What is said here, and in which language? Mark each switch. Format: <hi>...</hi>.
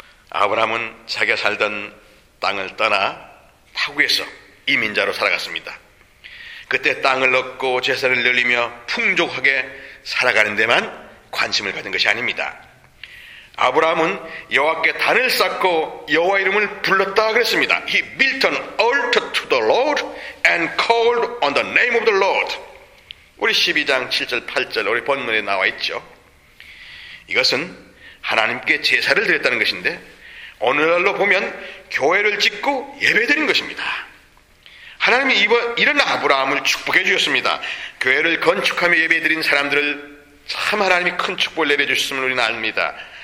<ko>아브라함은 자기가 살던 땅을 떠나 타국에서 이민자로 살아갔습니다. 그때 땅을 얻고 재산을 늘리며 풍족하게 살아가는 데만 관심을 가진 것이 아닙니다. 아브라함은 여호와께 단을 쌓고 여호와 이름을 불렀다 그랬습니다.</ko> <en>He built an altar to the Lord and called on the name of the Lord.</en> <ko>우리 12장 7절 8절 우리 본문에 나와 있죠. 이것은 하나님께 제사를 드렸다는 것인데 오늘날로 보면 교회를 짓고 예배드린 것입니다. 하나님이 이런 아브라함을 축복해 주셨습니다. 교회를 건축하며 예배드린 사람들을 참 하나님이 큰 축복을 내려주셨음을 우리는 압니다.</ko>